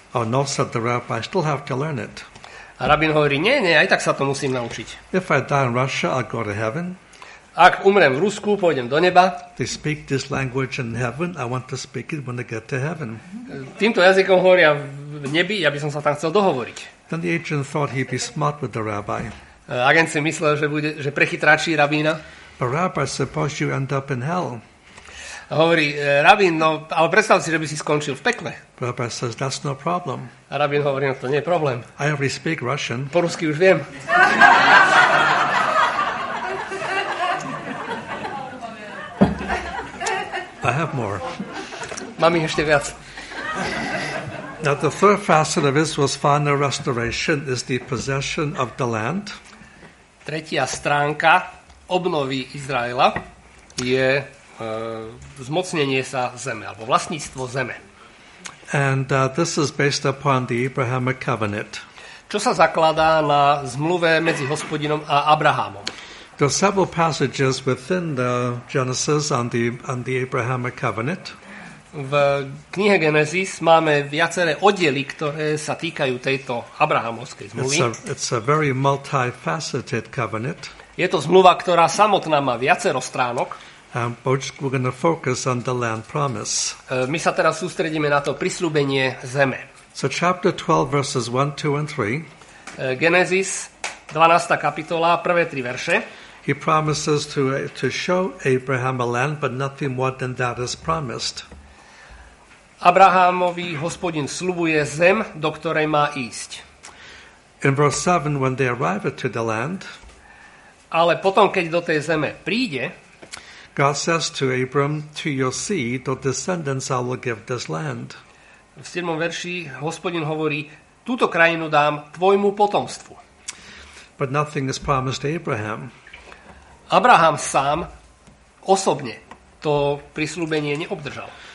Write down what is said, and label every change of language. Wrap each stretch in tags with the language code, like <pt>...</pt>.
<en>Oh no, said the rabbi, I still have to learn it.</en> <sk>A rabín hovorí, nie, aj tak sa to musím naučiť.</sk> <en>If I die in Russia, I'll go to heaven.</en> <sk>Ak umrem v Rusku, pôjdem do neba.</sk> <en>They speak this language in heaven. I want to speak it when I get to heaven.</en> <sk>Týmto jazykom hovoria v nebi, ja by som sa tam chcel dohovoriť.</sk> <en>Then the agent thought he'd be smart with the rabbi.</en> <sk>Agent si myslel, že prechytráči rabína.</sk> <en>But rabbi, suppose you end up in hell.</en> <sk>Hovorí, rabín, no, ale predstav si, že by si skončil v pekle.</sk> <en>Rabbi says, that's no problem.</en> <sk>A rabín hovorí, no, to nie je problém.</sk> <en>I already speak Russian.</en> <sk>Po rusky už viem.</sk> <en>I have more.</en> <sk>Mám ich ešte viac.</sk> <en>Now the third facet of Israel's final restoration is the possession of the land.</en> <sk>Tretia stránka obnovy Izraela je zmocnenie sa zeme, alebo vlastníctvo zeme.</sk> <en>And this is based upon the Abrahamic covenant.</en> <sk>Čo sa zakladá na zmluve medzi Hospodinom a Abrahamom?</sk> <en>There are several passages within the Genesis on the Abrahamic covenant.</en> <sk>V knihe Genesis máme viaceré oddiely, ktoré sa týkajú tejto abrahamovskej zmluvy.</sk> <en>It's a very multifaceted covenant.</en> <sk>Je to zmluva, ktorá samotná má viacero stránok.</sk> <en>We're going to focus on the land promise.</en> <sk>My sa teraz sústredíme na to prisľúbenie zeme.</sk> <en>So chapter 12 verses 1, 2 and 3.</en> <sk>Genesis 12. kapitola, prvé tri verše.</sk> <en>He promises to show Abraham a land, but nothing more than that is promised.</en> <sk>Abrahamovi Hospodin sľubuje zem, do ktorej má ísť.</sk> <en>In verse 7, when they arrive to the land,</en> <sk>ale potom, keď do tej zeme príde,</sk> <en>God says to Abram, to your seed, your descendants, I will give this land.</en> <sk>V 7. verši Hospodin hovorí, túto krajinu dám tvojmu potomstvu.</sk> <en>But nothing is promised to Abraham.</en> <sk>Abraham sám osobne to prisľúbenie neobdržal.</sk>